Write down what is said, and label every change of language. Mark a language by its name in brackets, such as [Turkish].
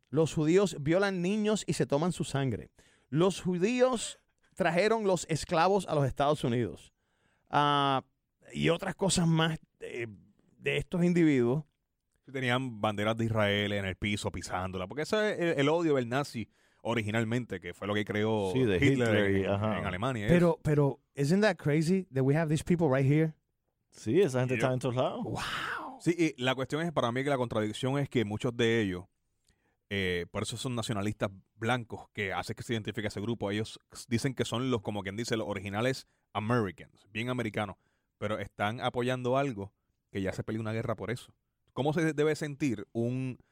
[Spanish] Los judíos violan niños y se toman su sangre. Los judíos trajeron los esclavos a los Estados Unidos. Y otras cosas más de estos individuos. Tenían banderas de Israel en el piso pisándola, porque ese es el odio del nazi originalmente, que fue lo que creó Hitler en Alemania. Pero, [English] isn't that crazy that we have these people right here? [Spanish] Sí, esa gente está en todos lados. ¡Wow! Sí, y la cuestión es, para mí, que la contradicción es que muchos de ellos, por eso son nacionalistas blancos, que hace que se identifique a ese grupo, ellos dicen que son los, como quien dice, los originales Americans, bien americanos, pero están apoyando algo que ya se peleó una guerra por eso. ¿Cómo se debe sentir un